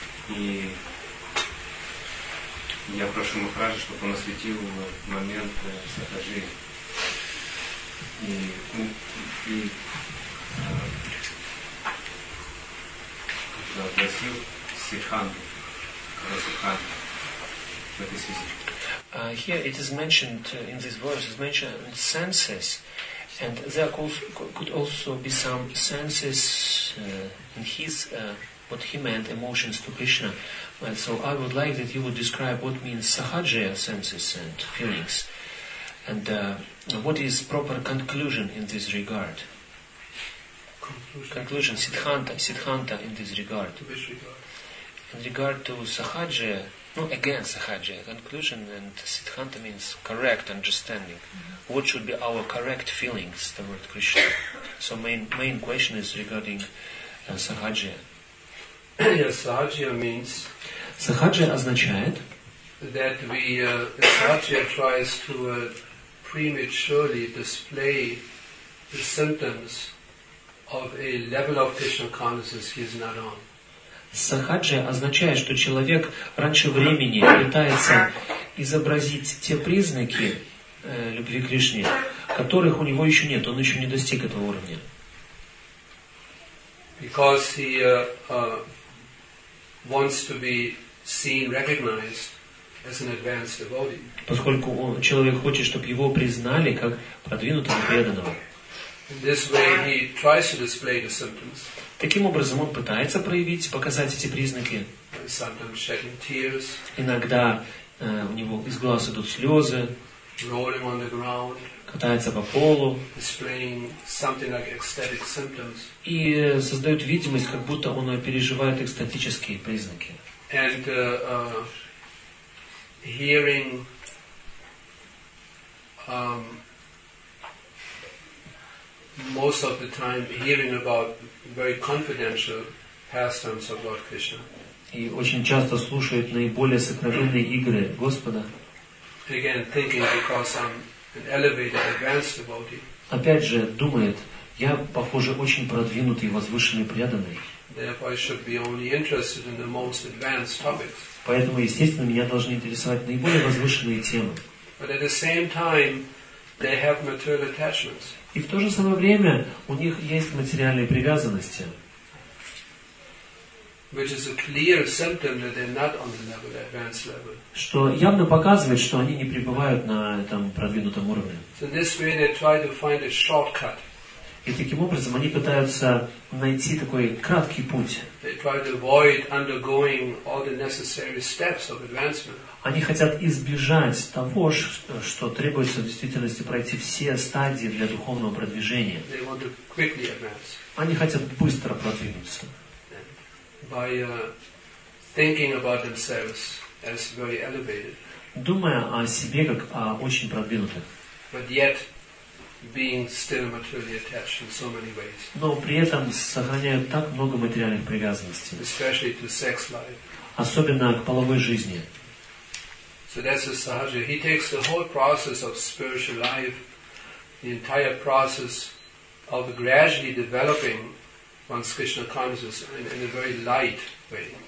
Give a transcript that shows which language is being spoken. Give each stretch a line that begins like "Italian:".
Russian: И я прошу Махараджа, чтобы он осветил момент сахаджи. И пригласил Сиханду, Карасиханду в этой связи.
English: Here it is mentioned in this verse, it's mentioned senses, and there could also be some senses in his what he meant emotions to Krishna. And so I would like that you would describe what means sahajaya senses and feelings. And what is proper conclusion in this regard? Conclusion. Siddhanta in this regard. Which regard? In regard to Sahaja, no, again Sahaja, conclusion and Siddhanta means correct understanding. Mm-hmm. What should be our correct feelings toward Krishna? So main question is regarding Sahaja. Yes, Sahaja means...
Russian: Sahaja означает...
English: That we... Sahaja tries to... prematurely display the symptoms of a level of Krishna consciousness he is not on.
Russian: Сахаджа означает, что человек раньше времени пытается изобразить те признаки любви к Кришне, которых у него еще нет, он еще не достиг этого уровня.
English: Because he wants to be seen, recognized as an advanced devotee.
Russian: Поскольку человек хочет, чтобы его признали как продвинутого преданного.
English: In this way he tries to display the symptoms.
Russian: Таким образом он пытается проявить, показать эти признаки.
English: Sometimes shedding tears.
Russian: Иногда у него из глаз идут слезы.
English: Rolling on the ground.
Russian: Катается по полу.
English: Displaying something like ecstatic symptoms.
Russian: И создает видимость, как будто он переживает экстатические признаки.
English: And hearing most of the time hearing about very confidential pastimes of Lord Krishna.
Russian: И очень часто слушает наиболее сокровенные игры Господа.
English: Again, thinking because I'm an elevated, advanced devotee.
Russian: Опять же, думает, я, похоже, очень продвинутый, возвышенный, преданный.
English: Therefore, I should be only interested in the most advanced topics.
Russian: Поэтому, естественно, меня должны интересовать наиболее возвышенные темы.
English: But at the same time, they have material attachments.
Russian: И в то же самое время у них есть материальные привязанности.
English: which is a clear symptom that they're not on the level, advanced level.
Russian: Что явно показывает, что они не пребывают на этом продвинутом уровне.
English: So this way they try to find a shortcut.
Russian: И таким образом они пытаются найти такой краткий путь.
English: They try to avoid undergoing all the necessary steps of advancement.
Russian: Они хотят избежать того, что требуется в действительности пройти все стадии для духовного продвижения.
English: They want to quickly advance.
Russian: Они хотят быстро продвинуться.
English: By thinking about themselves as very elevated.
Russian: Думая о себе как о очень продвинутых.
English: But yet being still materially attached in so many ways.
Russian: Но при этом сохраняют так много материальных привязанностей.
English: Especially to sex life.
Russian: Особенно к половой жизни.
English: So that's the sahaja. He takes the whole process of spiritual life, the entire process of gradually developing one's Krishna consciousness in a very light way.